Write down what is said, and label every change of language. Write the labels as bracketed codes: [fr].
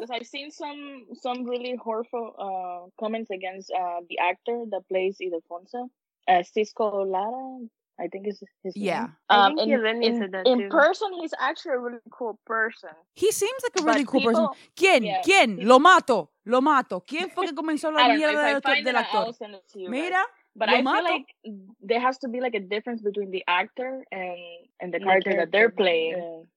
[en] Because I've seen some really horrible comments against the actor that plays Ildefonso. Cisco Lara, I think is his name. Yeah. In person, he's actually a really cool person. He seems like a really cool person. [es] ¿Quién? Lo mato. Lo mato. ¿Quién fue que comenzó la mierda del actor? Mira, [en] but I feel like there has to be like a difference between the actor and the character that they're playing.